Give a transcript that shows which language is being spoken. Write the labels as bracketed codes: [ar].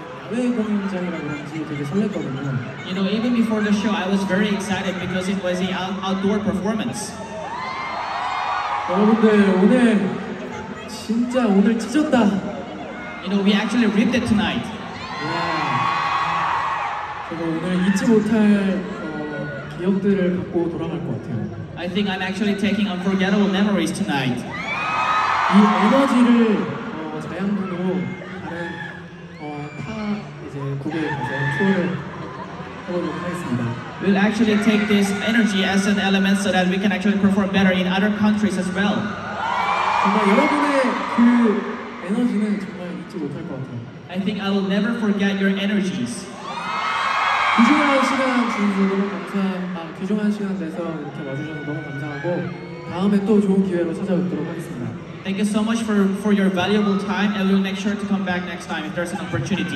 [en] You know, even before the show, I was very excited because it was an outdoor performance. [ko] 여러분들 오늘 진짜 오늘 찢었다. [en] You know, we actually ripped it tonight. [ko] 저도 오늘 잊지 못할 기억들을 갖고 돌아갈 것 같아요. [en] I think I'm actually taking unforgettable memories tonight. [ko] 이 에너지를 다양분으로 다른 타 이제 곡에 투어를 해보도록 하겠습니다. [en] We'll actually take this energy as an element so that we can actually perform better in other countries as well. [ko] 정말 여러분의 그 에너지는 정말 잊지 못할 것 같아요. [en] I think I will never forget your energies. [ko] 귀중한 시간 주셔서 너무 감사합니다. 귀중한 시간 내서 이렇게 와주셔서 너무 감사하고 다음에 또 좋은 기회로 찾아뵙도록 하겠습니다. [en] Thank you so much for your valuable time, and we'll make sure to come back next time if there's an opportunity.